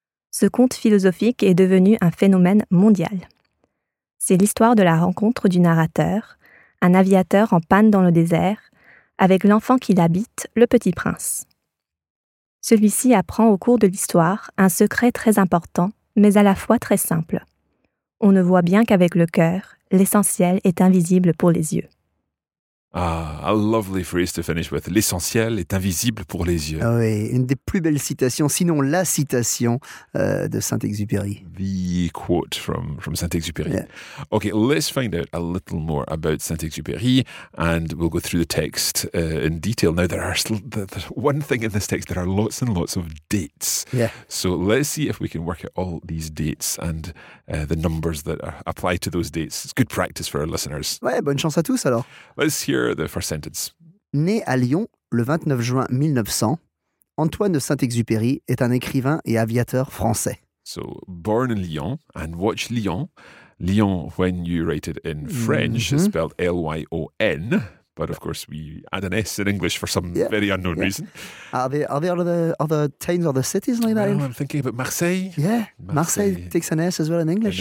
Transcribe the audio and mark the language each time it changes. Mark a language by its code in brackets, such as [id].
[fr] Ce conte philosophique est devenu un phénomène mondial. C'est l'histoire de la rencontre du narrateur, un aviateur en panne dans le désert, avec l'enfant qui l'habite, le Petit Prince. Celui-ci apprend au cours de l'histoire un secret très important, mais à la fois très simple. On ne voit bien qu'avec le cœur, l'essentiel est invisible pour les yeux. [en] Ah, a lovely phrase to finish with. [fr] L'essentiel est invisible pour les yeux. Oui, une des plus belles citations, sinon la citation de Saint-Exupéry. [en] The quote from Saint-Exupéry. Yeah. Okay, let's find out a little more about Saint-Exupéry and we'll go through the text in detail. Now, there's one thing in this text, there are lots and lots of dates. Yeah. So let's see if we can work out all these dates and the numbers that apply to those dates. It's good practice for our listeners. [fr] Ouais, bonne chance à tous alors. [en] Let's hear the first sentence. [fr] Né à Lyon le 29 juin 1900, Antoine de Saint-Exupéry est un écrivain et aviateur français. [en] So, born in Lyon, and watch Lyon. Lyon, when you write it in French, mm-hmm. is spelled L-Y-O-N. But of course, we add an S in English for some yeah, very unknown yeah. reason. Are there other towns or the cities like that? I'm thinking about Marseille. Yeah, Marseille takes an S as well in English.